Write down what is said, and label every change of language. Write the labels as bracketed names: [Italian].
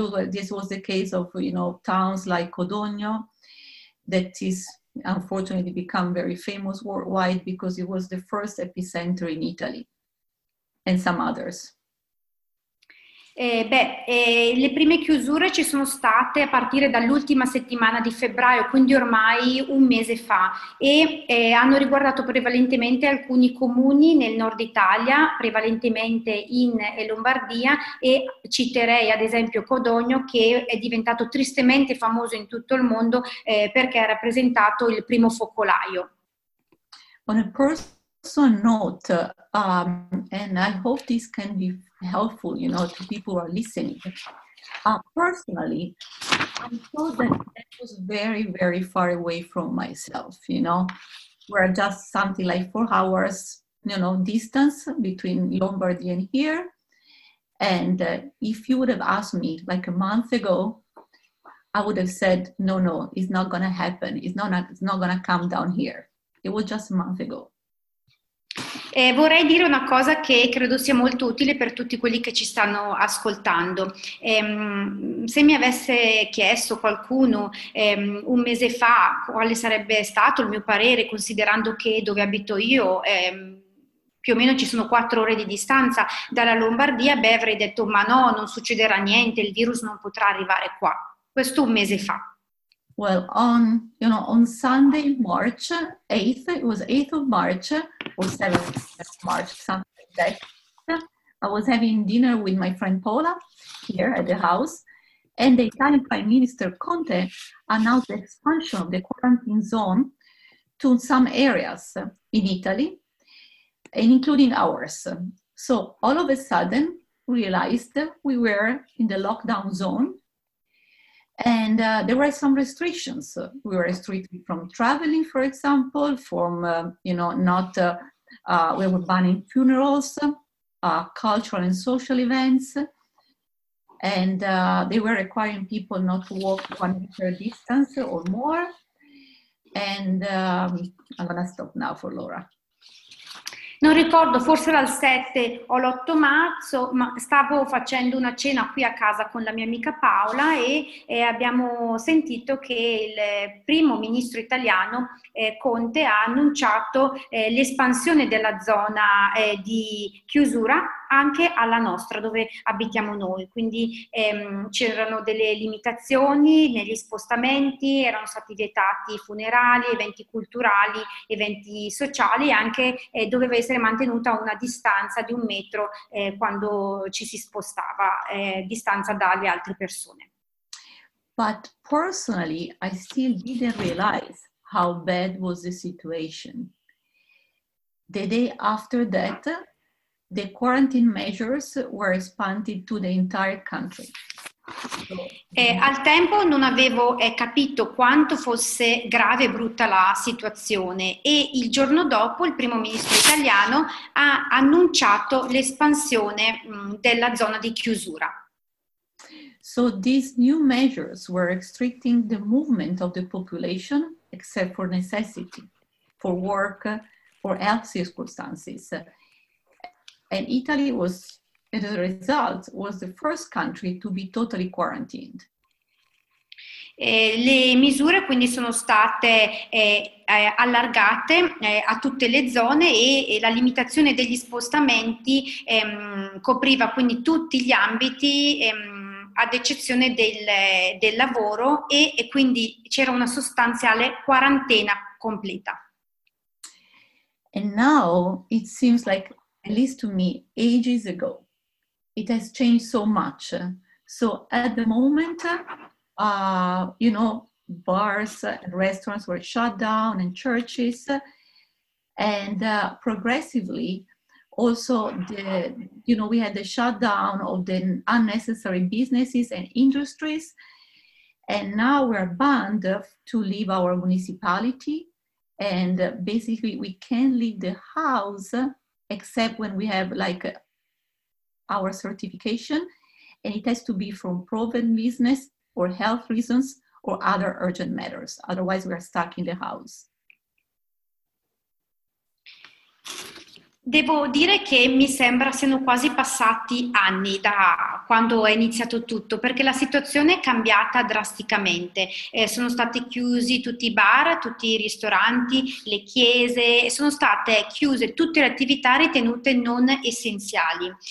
[English] This was the case of, you know, towns like Codogno, that is unfortunately become very famous worldwide because it was the first epicenter in Italy, and some others. [Italian] Le prime chiusure ci sono state a partire dall'ultima settimana di febbraio, quindi ormai un mese fa, e hanno riguardato prevalentemente alcuni comuni nel nord Italia, prevalentemente in Lombardia, e citerei ad esempio Codogno, che è diventato tristemente famoso in tutto il mondo perché ha rappresentato il primo focolaio. [English] On a personal note, and I hope this can be helpful, you know, to people who are listening. Personally, I thought that that was very, very far away from myself, you know. We're just something like 4 hours, you know, distance between Lombardy and here. And if you would have asked me like a month ago, I would have said, no, it's not going to happen. It's not going to come down here. It was just a month ago. [Italian] Vorrei dire una cosa che credo sia molto utile per tutti quelli che ci stanno ascoltando. Se mi avesse chiesto qualcuno un mese fa quale sarebbe stato il mio parere, considerando che dove abito io più o meno ci sono 4 ore di distanza dalla Lombardia, beh, avrei detto ma no, non succederà niente, il virus non potrà arrivare qua. Questo un mese fa. [English] Well, on, you know, on Sunday, March 8th, it was 8th of March, or 7th of March, something like that, I was having dinner with my friend Paola here at the house, and the Italian Prime Minister Conte announced the expansion of the quarantine zone to some areas in Italy, and including ours. So all of a sudden, we realized that we were in the lockdown zone. And there were some restrictions. We were restricted from traveling, for example, from, we were banning funerals, cultural and social events. And they were requiring people not to walk 1 meter distance or more. And I'm gonna stop now for Laura. [Italian] Non ricordo, forse dal 7 o l'8 marzo, ma stavo facendo una cena qui a casa con la mia amica Paola e abbiamo sentito che il primo ministro italiano Conte ha annunciato l'espansione della zona di chiusura anche alla nostra, dove abitiamo noi. Quindi c'erano delle limitazioni negli spostamenti, erano stati vietati funerali, eventi culturali, eventi sociali, anche doveva essere mantenuta una distanza di 1 metro quando ci si spostava, distanza dalle altre persone. [English] But personally, I still didn't realize how bad was the situation. The day after that, the quarantine measures were expanded to the entire country. [Italian] Al tempo non avevo capito quanto fosse grave e brutta la situazione e il giorno dopo il primo ministro italiano ha annunciato l'espansione della zona di chiusura. [English] So these new measures were restricting the movement of the population except for necessity, for work, for health circumstances. And Italy was, as a result, was the first country to be totally quarantined. [Italian] Le misure quindi sono state allargate a tutte le zone e la limitazione degli spostamenti copriva quindi tutti gli ambiti ad eccezione del lavoro e quindi c'era una sostanziale quarantena completa. [English] And now it seems like, at least to me, ages ago, it has changed so much. So at the moment, bars and restaurants were shut down and churches, and progressively also we had the shutdown of the unnecessary businesses and industries, and now we're banned to leave our municipality, and basically we can't leave the house except when we have like our certification, and it has to be from proven business or health reasons or other urgent matters. Otherwise, we are stuck in the house. [Italian] Devo dire che mi sembra siano quasi passati anni da quando è iniziato tutto, perché la situazione è cambiata drasticamente. Sono stati chiusi tutti i bar, tutti i ristoranti, le chiese, sono state chiuse tutte le attività ritenute non essenziali.